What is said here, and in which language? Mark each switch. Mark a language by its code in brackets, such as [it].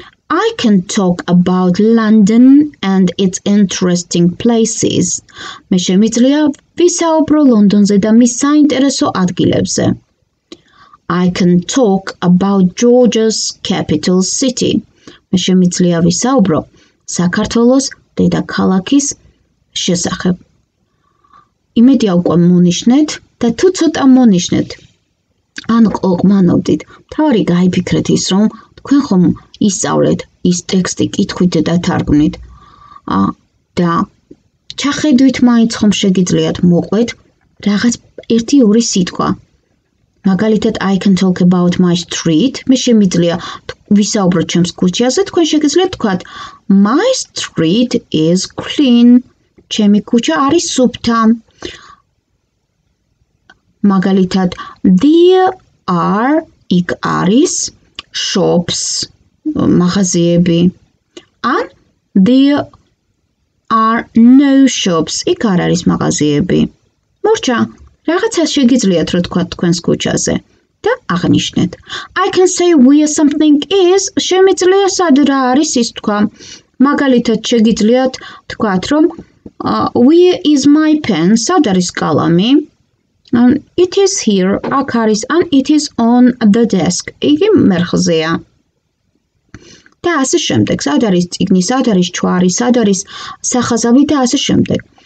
[en] I can talk about London and its interesting places. [ka] მე შემიძლია ვისაუბრო ლონდონზე და მის საინტერესო ადგილებზე. [en] I can talk about Georgia's capital city. [ka] მე შემიძლია ვისაუბრო საქართველოს დედაქალაქის შესახებ. იმედია უკვე მონიშნეთ და თუ ცოტა მონიშნეთ, ან ყოყმანობდით, მთავარი გაიფიქრეთ ის, რომ თქვენ ხომ ისწავლეთ ის ტექსტი, კითხვით და თარგმნით და ჩახედვით მაინც ხომ შეგიძლიათ მოყვეთ რაღაც ერთი ორი სიტყვა. მაგალითად, [en] I can talk about my street. [ka] მე შემიძლია ვისაუბროთ ჩემს ქუჩაზე, თქვენ შეგიძლიათ თქვათ [en] My street is clean. [ka] ჩემი ქუჩა არის სუფთა. მაგალითად, [en] there are [ka] იქ არის shops, მაღაზიები. ან [en] there are no shops, [ka] იქ არ არის მაღაზიები. მორჩა, რაღაცა შეგიძლიათ რო თქვა თქვენს ქუჩაზე და აღნიშნეთ. [en] I can say where something is, [ka] შემიძლია სად რა არის ის თქვა. მაგალითად შეგიძლიათ თქვათ რომ [en] where is my pen, [ka] სად არის კალამი? [en] It is here, [ka] აქ არის, [en] and it is on the desk, [ka] იგი მერხზეა. და ასე შემდეგ, სად არის წიგნი, სად არის ჩვარი, სად არის სახაზავი და ასე შემდეგ.